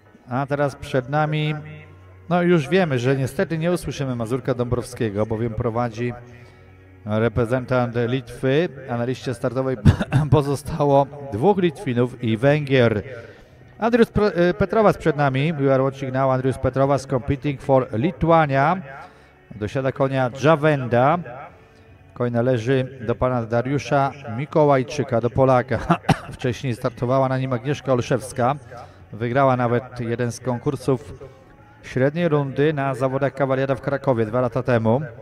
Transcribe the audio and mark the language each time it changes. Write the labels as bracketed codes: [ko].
[pl] A teraz przed nami, no już wiemy, że niestety nie usłyszymy Mazurka Dąbrowskiego, bowiem prowadzi reprezentant Litwy. A na liście startowej pozostało dwóch Litwinów i Węgier. Andrius Petrowas przed nami. [en] We are watching now Andrius Petrowas competing for Lithuania. [pl] Dosiada konia Javenda. Koń należy do pana Dariusza Mikołajczyka, do Polaka. Wcześniej startowała na nim Agnieszka Olszewska. Wygrała nawet jeden z konkursów średniej rundy na zawodach Kawaliada w Krakowie 2 lata temu.